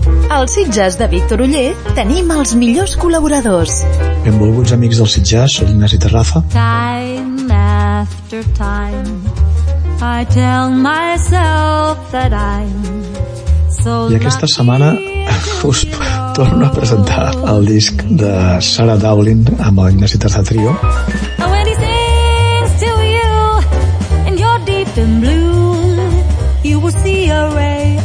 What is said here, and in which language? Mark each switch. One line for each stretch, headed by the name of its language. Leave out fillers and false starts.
Catalan: Al Sitges de Víctor Uller tenim els millors col·laboradors. Benvolguts amics del Sitges, soc Ignasi Terraza.
English: Time after time, I tell myself that I'm so lucky.
Catalan: I aquesta setmana us torno a presentar el disc de Sarah Dowling amb l'Ignasi Terraza Trio.
English: And when he sings to you, and you're deep in blue, you will see a ray.